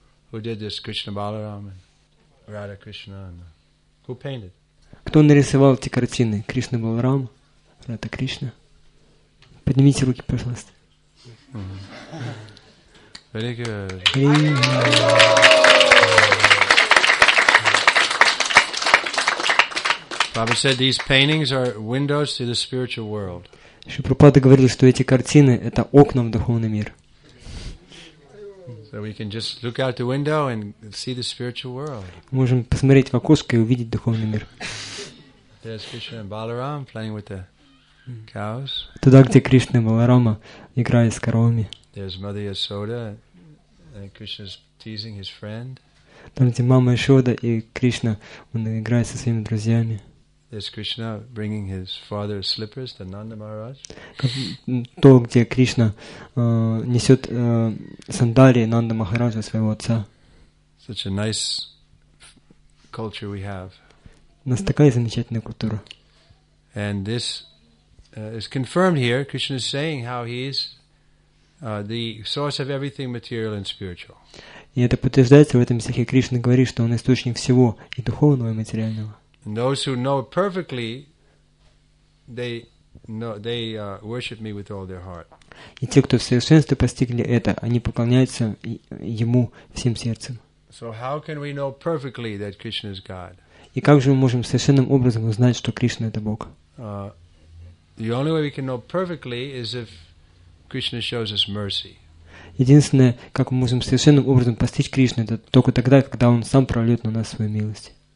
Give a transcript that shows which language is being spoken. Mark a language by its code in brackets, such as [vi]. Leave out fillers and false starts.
[en] Who did this Krishna Balaram and Radha Krishna? And who painted? [ru] Кто нарисовал эти картины? Кришна Баларам, Радха Кришна. Поднимите руки, пожалуйста. [en] Very good. Baba said these paintings are windows to the spiritual world. [ru] Шри Прабхупада говорил, что эти картины это окна в духовный мир. [en] So we can just look out the window and see the spiritual world. [ru] Можем посмотреть в окошко и увидеть духовный мир. [en] There's Krishna and Balaram playing with the cows. [ru] Туда, где Кришна и Баларама играют с коровами. [en] There's Mother Yasoda and Krishna's teasing his friend. [ru] Там, где мама Ишода и Кришна, он играет со своими друзьями. [en] There's Krishna bringing his father's slippers to Nanda Maharaj. [ru] То, где Кришна несет сандалии Нанда Махараджа своего отца. [en] Such a nice culture we have. [ru] У нас такая замечательная культура. [en] And this is confirmed here. Krishna is saying how he is the source of everything material and spiritual. [ru] И это подтверждается в этом стихе. Кришна говорит, что он источник всего и духовного, и материального. [en] And those who know it perfectly, they know, they worship me with all their heart. [ru] И те, кто в совершенстве постигли это, они поклоняются ему всем сердцем. [en] So how can we know perfectly that Krishna is God? [ru] И как же мы можем совершенным образом узнать, что Кришна это Бог? [en] The only way we can know perfectly is if Krishna shows us mercy. [ru] Единственное, как мы можем совершенным образом постичь Кришну, это только тогда, когда Он сам прольет на нас свою милость.